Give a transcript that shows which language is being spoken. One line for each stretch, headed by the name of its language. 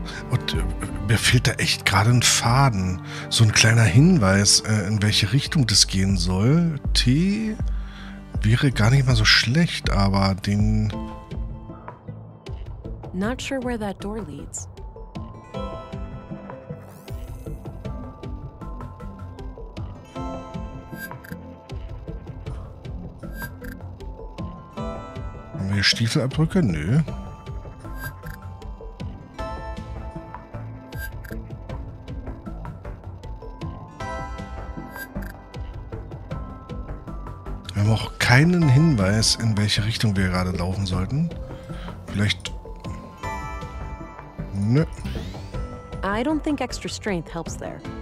German: Und mir fehlt da echt gerade ein Faden. So ein kleiner Hinweis, in welche Richtung das gehen soll. Tee wäre gar nicht mal so schlecht, aber den...
English: Not sure where that door leads.
German: Haben wir hier Stiefelabdrücke? Nö. Wir haben auch keinen Hinweis, in welche Richtung wir gerade laufen sollten. Vielleicht... Nö.
English: I don't think extra strength helps there.